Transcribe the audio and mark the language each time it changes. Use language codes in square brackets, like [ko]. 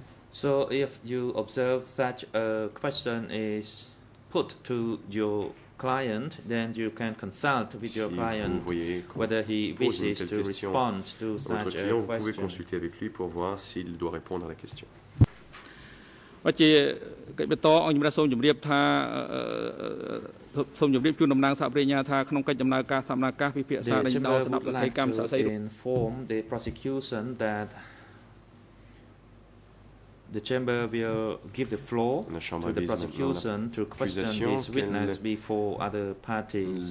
[en] So if you observe such a question is put to your client, then you can consult with your client whether he wishes to respond to such a question. [fr] Vous pouvez consulter avec lui pour voir s'il doit répondre à la question. [en] Inform the prosecution that the chamber will give the floor to the prosecution to question this witness before other parties.